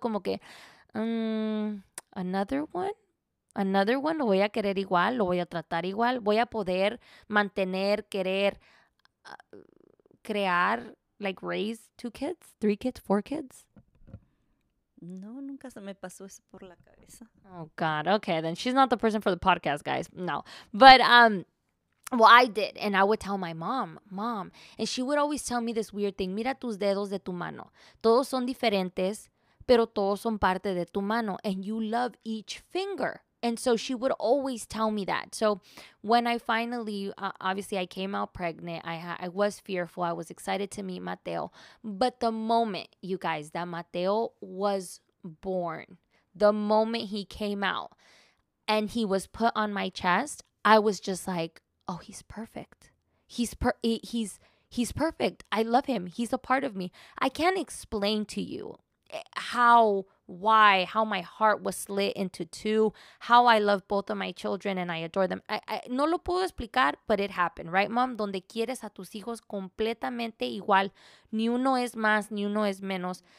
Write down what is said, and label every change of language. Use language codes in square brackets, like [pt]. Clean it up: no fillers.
[es] Como que, [en] another one? Another one? [es] ¿Lo voy a querer igual? ¿Lo voy a tratar igual? ¿Voy a poder mantener, querer, crear, [en] like raise 2 kids, 3 kids, 4 kids? [es] No, nunca se me pasó eso por la cabeza. [en] Oh, God. Okay, then she's not the person for the podcast, guys. No. But, well, I did. And I would tell my mom. And she would always tell me this weird thing. [es] Mira tus dedos de tu mano. Todos son diferentes, pero todos son parte de tu mano. [en] And you love each finger. And so she would always tell me that. So when I finally, obviously I came out pregnant, I was fearful. I was excited to meet Mateo. But the moment, you guys, that Mateo was born, the moment he came out and he was put on my chest, I was just like, oh, he's perfect. He's perfect. I love him. He's a part of me. I can't explain to you how my heart was slit into two, how I love both of my children and I adore them. I [es] no lo puedo explicar, [en] but it happened, right, mom? [es] Donde quieres a tus hijos completamente igual, ni uno es más, ni uno es menos.